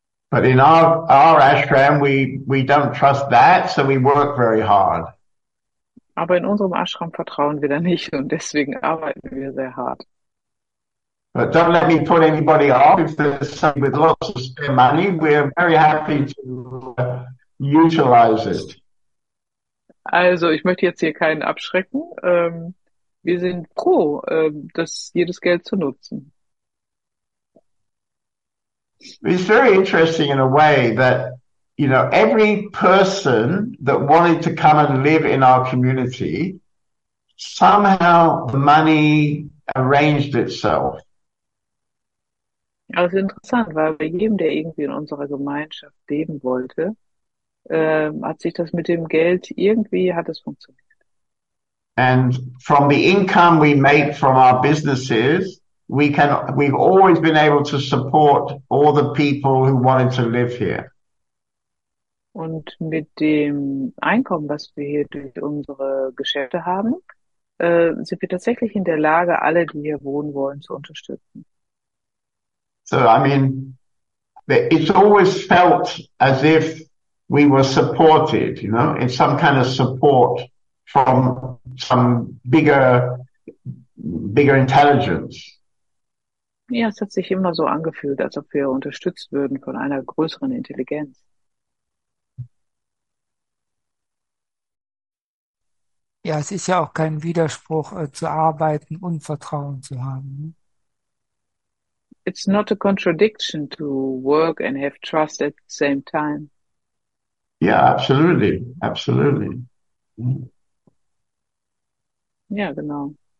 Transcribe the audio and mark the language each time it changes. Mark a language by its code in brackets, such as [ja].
[en] But in our ashram, we don't trust that, so we work very hard. [de] Aber in unserem Ashram vertrauen wir da nicht und deswegen arbeiten wir sehr hart. [en] But don't let me put anybody off if there's somebody with lots of spare money. We're very happy to utilize it. [de] Also, ich möchte jetzt hier keinen abschrecken. Wir sind pro, das jedes Geld zu nutzen. [en] It's very interesting in a way that you know, every person that wanted to come and live in our community, somehow the money arranged itself. [de] Also interessant, weil bei jedem, der irgendwie in unserer Gemeinschaft leben wollte, hat sich das mit dem Geld irgendwie, hat es funktioniert. [en] And from the income we make from our businesses, we've always been able to support all the people who wanted to live here. [de] Und mit dem Einkommen, was wir hier durch unsere Geschäfte haben, sind wir tatsächlich in der Lage, alle, die hier wohnen wollen, zu unterstützen. [en] So, I mean, it's always felt as if we were supported, you know, in some kind of support from some bigger intelligence. [de] Ja, es hat sich immer so angefühlt, als ob wir unterstützt würden von einer größeren Intelligenz. Ja, es ist ja auch kein Widerspruch, zu arbeiten und Vertrauen zu haben. [en] It's not a contradiction to work and have trust at the same time. Yeah, absolutely, absolutely. [de] Ja, yeah, genau.